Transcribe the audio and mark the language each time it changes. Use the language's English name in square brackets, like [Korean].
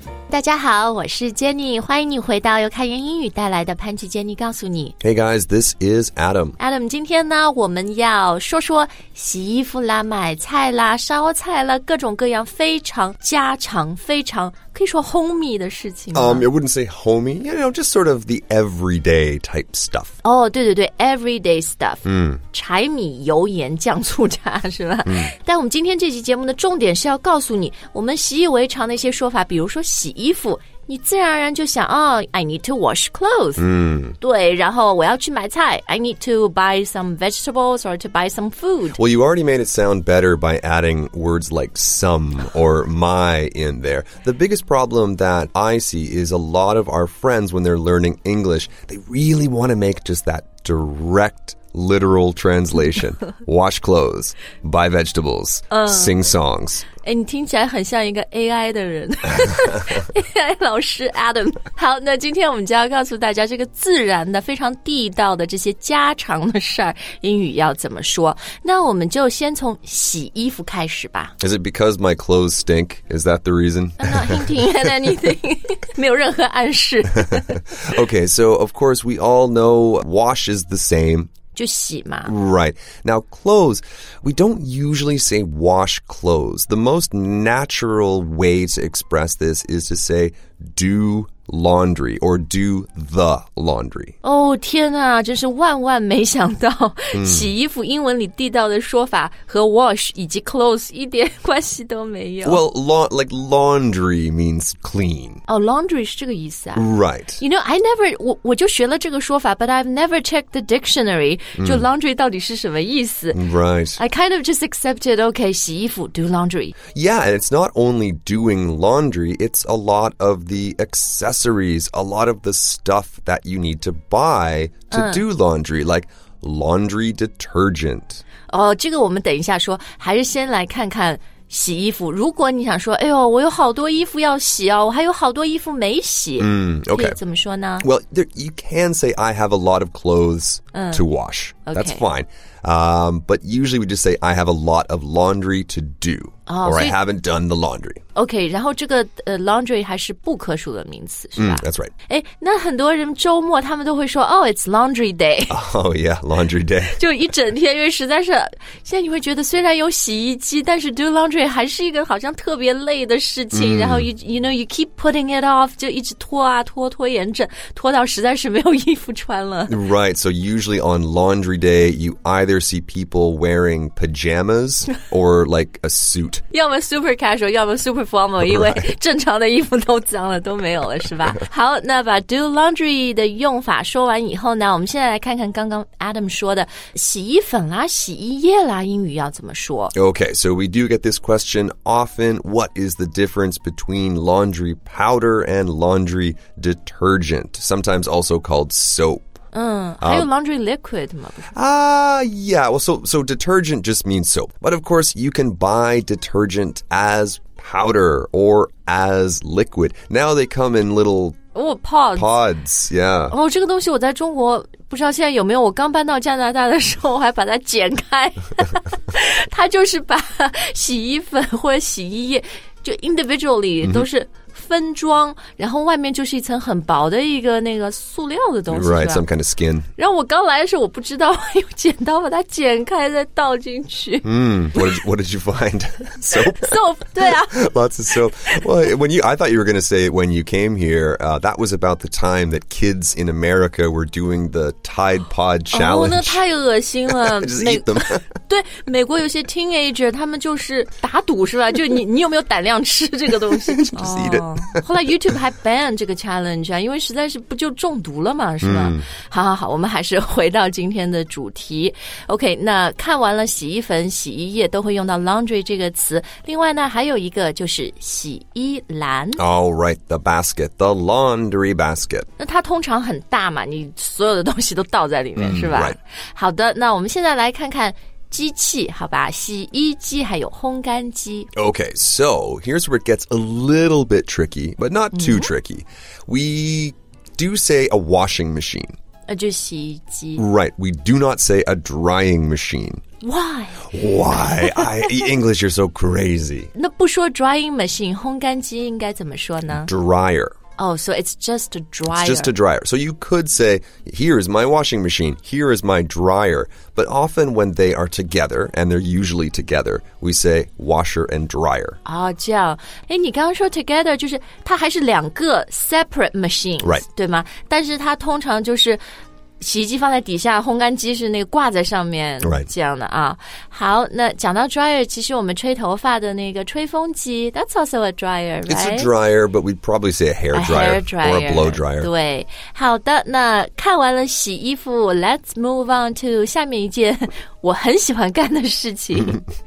[Chinese] 大家好，我是 Jenny， 欢迎你回到由开源英语带来的潘吉 Jenny 告诉你。 [English] Hey guys, this is Adam. [Chinese] Adam， 今天呢，我们要说说洗衣服啦、买菜啦、烧菜啦，各种各样非常家常、非常可以说 homey 的事情。 [English] I wouldn't say homey. You know, just sort of the everyday type stuff. [Chinese] 哦、oh, ，对对对 ， [English] everyday stuff. [Chinese] 柴米油盐酱醋茶是吧？但我们今天这期节目的重点是要告诉你，我们习以为常的一些说法，比如说洗衣服，你自然而然就想、 [English] I need to wash clothes. [Chinese] 对，然后我要去买菜 [English] I need to buy some vegetables or to buy some food. Well, you already made it sound better by adding words like some or my in there. The biggest problem that I see is a lot of our friends when they're learning English, they really want to make just that direct literal translation. Wash clothes, buy vegetables, sing songs. [Chinese] 哎，你听起来很像一个 AI 的人AI 老师 Adam 好那今天我们就要告诉大家这个自然的非常地道的这些家常的事儿英语要怎么说那我们就先从洗衣服开始吧 [English] Is it because my clothes stink? Is that the reason? I'm not hinting at anything [Chinese] 没有任何暗示 [English] Okay, so of course we all know wash is the same [Chinese] 就洗嘛 [English] Right. Now, clothes, we don't usually say wash clothes. The most natural way to express this is to say do laundry or do the laundry. [Chinese] Oh, 天哪真是万万没想到、洗衣服英文里地道的说法和 wash 以及 clothes 一点关系都没有。 [English] Well, laundry means clean. [Chinese] Oh, laundry 是这个意思啊。 [English] Right. You know, I never, [Chinese] 我就学了这个说法 [English] but I've never checked the dictionary. [Chinese] 就 laundry 到底是什么意思。 [English] Right. I kind of just accepted, okay, [Chinese] 洗衣服 [English] do laundry. Yeah, and it's not only doing laundry, it's a lot of the accessories, a lot of the stuff that you need to buy to do laundry, like laundry detergent. [Chinese] 哦，这个我们等一下说，还是先来看看洗衣服。如果你想说，哎呦，我有好多衣服要洗哦，我还有好多衣服没洗。 [English] Okay. [Chinese] 可以怎么说呢 [English] ？Well, there, you can say I have a lot of clothes to wash. Okay. That's fine. But usually we just say I have a lot of laundry to do. Or I haven't done the laundry. [Chinese] Okay, 然后这个、laundry 还是不可数的名词是吧、 [English] That's right. [Chinese] 诶那很多人周末他们都会说 [English] Oh, it's laundry day. Oh yeah, laundry day. [Chinese] 就一整天因为实在是现在你会觉得虽然有洗衣机但是 do laundry 还是一个好像特别累的事情、然后 [English] you keep putting it off, [Chinese] 就一直拖啊拖拖延着拖到实在是没有衣服穿了。 [English] Right, so usually on laundry day, you either see people wearing pajamas or like a suit. [Chinese] 要么 [English] super casual, [Chinese] 要么 [English] super formal, [Chinese] 因为正常的衣服都脏了都没有了是吧好那把 do laundry 的用法说完以后呢我们现在来看看刚刚 Adam 说的洗衣粉啦洗衣液啦英语要怎么说 [English] Okay, so we do get this question often, what is the difference between laundry powder and laundry detergent, sometimes also called soap? [Chinese] 还有 laundry liquid 吗 [English] yeah, well, so detergent just means soap. But of course, you can buy detergent as powder or as liquid. Now they come in little pods. Pods, yeah. [Chinese] 这个东西我在中国不知道现在有没有我刚搬到加拿大的时候我还把它剪开。它就是把洗衣粉或者洗衣液就 individually 都是、mm-hmm. 分装然后外面就是一层很薄的一个那个塑料的东西 [English] Right, some kind of skin. [Chinese] 然后我刚来的时候我不知道有剪刀把它剪开再倒进去。 [English] What did you find? Soap? [Chinese] Soap, 对啊。 [English] Lots of soap. Well, I thought you were going to say when you came here,、that was about the time that kids in America were doing the Tide Pod Challenge. [Chinese] 那太恶心了。 [English] Just eat them. [Chinese] 对美国有些 teenager, 他们就是打赌是吧就你有没有胆量吃这个东西。 [English] Just eat it. [Chinese] 后来 YouTube 还 ban 这个 challenge 啊，因为实在是不就中毒了嘛，是吧？好好好，我们还是回到今天的主题。OK, 那看完了洗衣粉、洗衣液都会用到 laundry 这个词。另外呢，还有一个就是洗衣篮。 [English] All right, the basket, the laundry basket. [Chinese] 那它通常很大嘛，你所有的东西都倒在里面，是吧？ [English] Right. [Chinese] 好的，那我们现在来看看。机器好吧洗衣机还有烘干机 [English] Okay, so here's where it gets a little bit tricky, but not too tricky. We do say a washing machine. [Chinese] 就洗衣机。 [English] Right, we do not say a drying machine. Why? Why? English, you're so crazy. 那不说 drying machine, 烘干机应该怎么说呢? Dryer. Oh, so it's just a dryer. It's just a dryer. So you could say, here is my washing machine, here is my dryer. But often when they are together, and they're usually together, we say washer and dryer. [Chinese] Oh, 这样。诶，你刚刚说 together, 就是它还是两个 [English] separate machines, right. [Chinese] 对吗？但是它通常就是洗衣机放在底下，烘干机是那个挂在上面、 [English] right. [Chinese] 这样的啊。好，那讲到 dryer， 其实我们吹头发的那个吹风机 ， [English] that's also a dryer， right？ It's a dryer， but we'd probably say a hair dryer, a hair dryer or a blow dryer。 [Chinese] 对，好的，那看完了洗衣服 ， [English] let's move on to [Chinese] 下面一件我很喜欢干的事情。